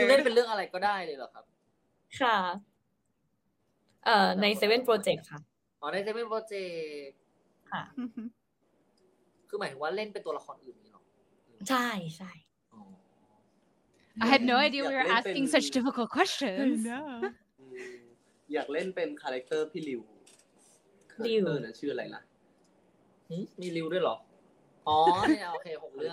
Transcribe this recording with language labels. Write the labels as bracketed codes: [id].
[th] คือเล่นเป็นเรื่องอะไรก็ได้เลยเหรอครับ ค่ะใน7 project ค่ะ อ๋อใน7 project ค่ะ คือหมายถึงว่าเล่นเป็นตัวละครอื่นนี่หรอ ใช่ใช่ [en] I had no idea we were asking such difficult questions No [th] อยากเล่นเป็นคาแรคเตอร์พี่ลิว ลิว นั่นชื่ออะไรล่ะ มีลิวด้วยเหรออ๋อเนี่ยโอเค6เรื่อง